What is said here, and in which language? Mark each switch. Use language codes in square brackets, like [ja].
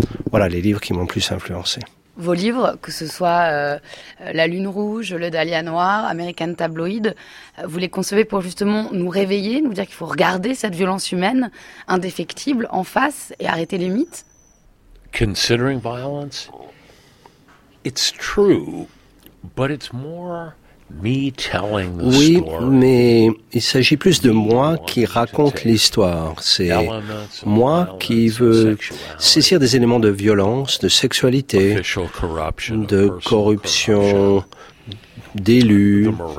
[fr] Voilà les livres qui m'ont plus influencé. Vos livres, que ce soit La Lune Rouge, Le Dahlia Noir, American Tabloid, vous les concevez pour justement nous réveiller, nous dire qu'il faut regarder cette violence humaine indéfectible en face et arrêter les mythes ? [en] Considering violence ? It's true, but it's more me telling the story. [fr] Oui, mais il s'agit plus de moi qui raconte l'histoire. C'est moi qui veux saisir des éléments de violence, de sexualité, de corruption, d'élus.